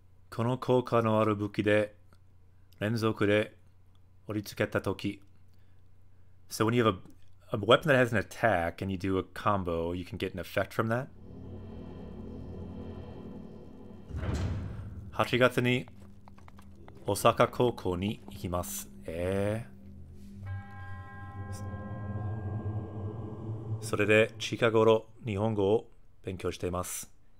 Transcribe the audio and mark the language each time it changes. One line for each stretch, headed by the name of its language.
Japanese: この効果のある武器で連続で折りつけたとき。
English: So when you have a weapon that has an attack and you do a combo, you can get an effect from that.
Japanese: 8月に大阪高校に行きます。それで近頃日本語を勉強しています。